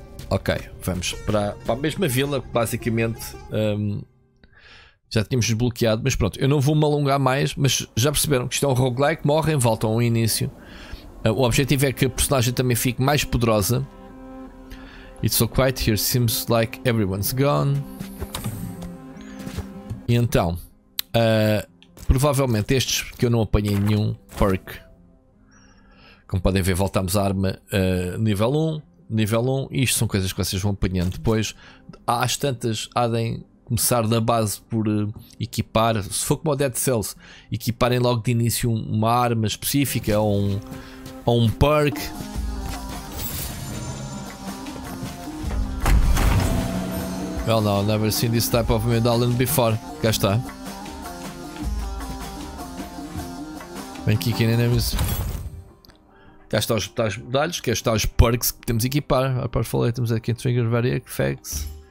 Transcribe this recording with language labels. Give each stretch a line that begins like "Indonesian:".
Portuguese: Ok, vamos para a mesma vila, basicamente. Já tínhamos desbloqueado, mas pronto, eu não vou me alongar mais, mas já perceberam que isto é um roguelike, morrem, voltam ao início. O objetivo é que a personagem também fique mais poderosa.
English: It's so quiet here, seems like everyone's gone.
Portuguese: E então, provavelmente estes, que eu não apanhei nenhum perk. Como podem ver, voltamos à arma nível 1, isto são coisas que vocês vão apanhando depois. Há as tantas, há de começar da base por equipar, se for como o Dead Cells, equiparem logo de início uma arma específica ou um perk.
English: Well, no, never seen this type of medallion before.
Portuguese: Cá está. Vem
English: kicking enemies.
Portuguese: Cá estão os medalhos, cá estão os perks que podemos equipar.
English: Our powerful items that can trigger various effects.